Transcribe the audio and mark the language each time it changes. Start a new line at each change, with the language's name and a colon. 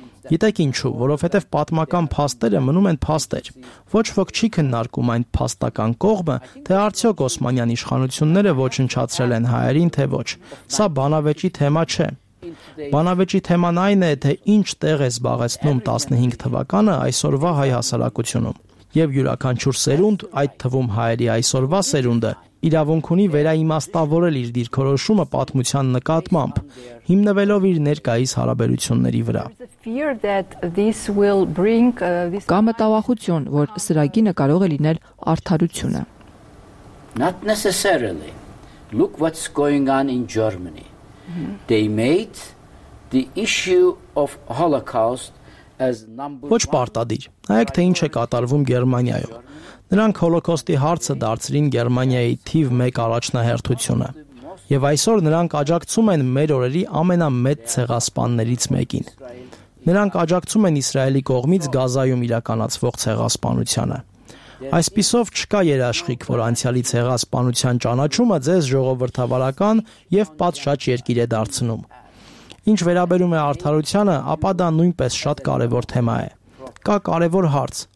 Armenian: Գիտեք ինչու, որովհետև պատմական փաստերը մնում են փաստեր։ Ոչ ոք չի քննարկում այն փաստական կողմը, թե արդյոք Օսմանյան իշխանությունները ոչնչացրել են հայերին, թե ոչ։ Սա բանավեճի թեմա չէ։ Բանավեճի թեման այն է, թե ինչ տեղ է զբաղեցնում 15 թվականը այսօրվա հայ հասարակությունում։ Եվ յուրաքանչյուր սերունդ, այդ թվում հայերի այսօրվա սերունդը, իրավունք ունի վերաիմաստավորել իր դիրքորոշումը պատմության նկատմամբ, հիմնվելով իր ներկայիս հարաբերությունների վրա։ Կա մտավախություն, որ սրագինը կարող է լինել արդարությունը։
English: Not necessarily. Look what's going on in Germany. They made the issue of Holocaust as number 1.
Armenian: Ոչ պարտադիր։ Նայեք, թե ինչ է կատարվում Գերմանիայում։ Նրանք Հոլոկոստի հարցը դարձրին Գերմանիայի թիվ 1 առաջնահերթությունը, եւ այսօր նրանք աջակցում են մեր օրերի ամենամեծ ցեղասպաններից մեկին։ Նրանք աջակցում են Իսրայելի կողմից Գազայում իրականացվող ցեղասպանությանը։ Այսպիսով չկա երաշխիք, որ անցյալի ցեղասպանության ճանաչումը ձեզ ժողովրդավարական եւ պատշաճ երկիր է դարձնում։ Ինչ վերաբերում է արդարությանը, ապա դա նույնպես շատ կարեւոր թեմա է։ Կա կարևոր հարց.